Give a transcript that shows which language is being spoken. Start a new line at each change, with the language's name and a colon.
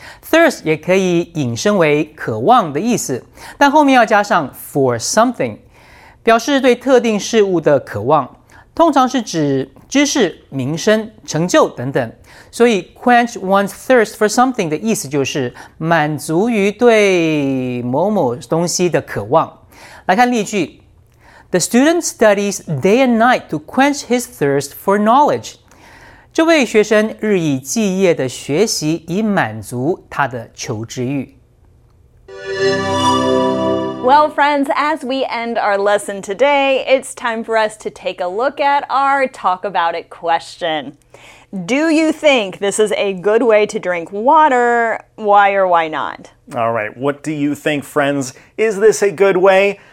Chinese: Thirst 也可以引申为渴望的意思，但后面要加上
English: for something，
Chinese: 表示对特定事物的渴望，通常是指知识、名声、成就等等。所以
English: quench one's thirst for something
Chinese: 的意思就是满足于对某某东西的渴望。来看例句。
English: The student studies day and night to quench his thirst for knowledge.
Chinese: 这位学生日以继夜的学习以满足他的求知欲。
English: Well, friends, as we end our lesson today, it's time for us to take a look at our talk about it question. Do you think this is a good way to drink water? Why or why not? All right, what do you think, friends? Is this a good way?